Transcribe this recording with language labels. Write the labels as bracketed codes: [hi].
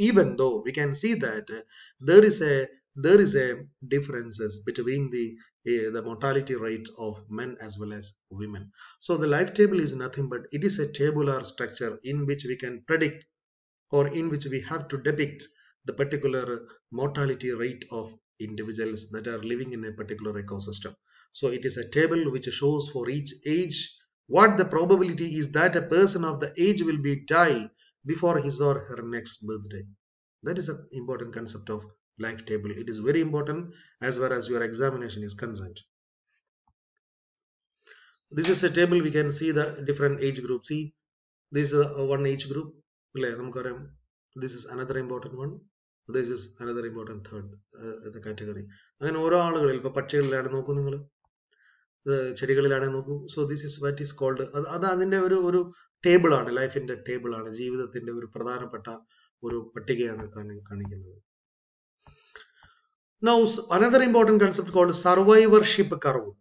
[en] Even though we can see that there is a differences between the mortality rate of men as well as women. So the life table is nothing but it is a tabular structure in which we can predict or in which we have to depict the particular mortality rate of individuals that are living in a particular ecosystem. So it is a table which shows for each age what the probability is that a person of the age will be die before his or her next birthday. That is an important concept of life table. It is very important as far as your examination is concerned. This is a table, we can see the different age groups. See, this is one age group. This is another important one. This is another important third the category. [ml] അങ്ങനെ ഓരോ ആളുകളിൽ, ഇപ്പൊ പക്ഷികളിലാണ് നോക്കൂ നിങ്ങൾ, ചെടികളിലാണെങ്കിൽ നോക്കൂ. [en] so this is what is called, [ml] അത് അതിന്റെ ഒരു ഒരു ടേബിൾ ആണ്, ലൈഫിന്റെ ടേബിൾ ആണ്, ജീവിതത്തിന്റെ ഒരു പ്രധാനപ്പെട്ട ഒരു പട്ടികയാണ് കാണിക്കുന്നത്. [en] Now another important concept called survivorship curve.